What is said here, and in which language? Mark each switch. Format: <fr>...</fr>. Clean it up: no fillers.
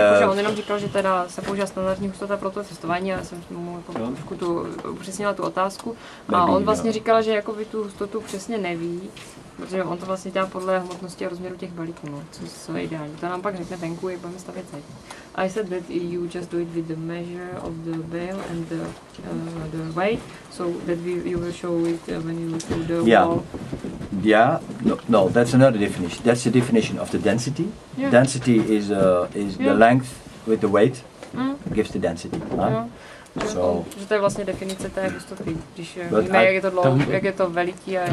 <cs>On jenom říkal, že teda se používá standardní hustota pro to testování, já jsem mu trošku tu upřesnila tu otázku. A on vlastně říkal, že jakoby tu hustotu přesně neví, protože on to vlastně dělá podle hmotnosti a rozměru těch balíků, no, co je ideální. To nám pak řekne venku, jak budeme stavět teď.</cs> <en>I said that you just do it with the measure of the bale and the weight, so that you will show it when you look through the wall. Yeah, no, that's another definition. That's the definition of the density. Yeah. Density is the length with the weight gives the density. Huh? Yeah. So,</en> <cs>že to je vlastně definice té hustoty, když víme, jak je to dlouho, jak je to veliký a</cs>